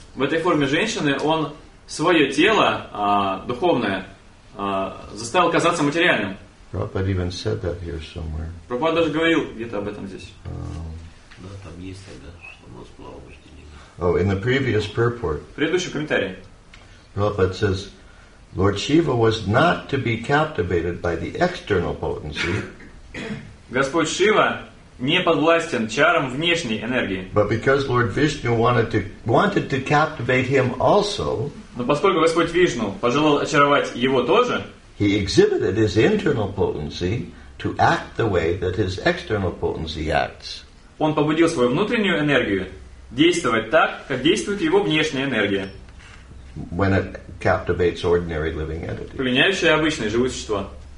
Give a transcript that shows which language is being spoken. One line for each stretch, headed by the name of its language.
Russian: В этой форме женщины он свое тело духовное заставил казаться материальным.
English: Prabhupada even said that here somewhere.
Russian: Прабхупада даже говорил где-то об этом здесь. Да, там есть тогда, что у нас было вождение.
English: Oh, in the previous purport.
Russian: В предыдущем комментарии.
English: Prabhupada says, Lord Shiva was not to be captivated by the external potency.
Russian: Господь Шива не подвластен чарам внешней энергии.
English: But because Lord Vishnu wanted to captivate him also.
Russian: Но поскольку Господь Вишну пожелал очаровать его тоже,
English: he exhibited his internal potency to act the way that his external potency acts.
Russian: Он побудил свою внутреннюю энергию действовать так, как действует его внешняя энергия.
English: When it captivates ordinary living entities.
Russian: Пленяющее обычное живое существо.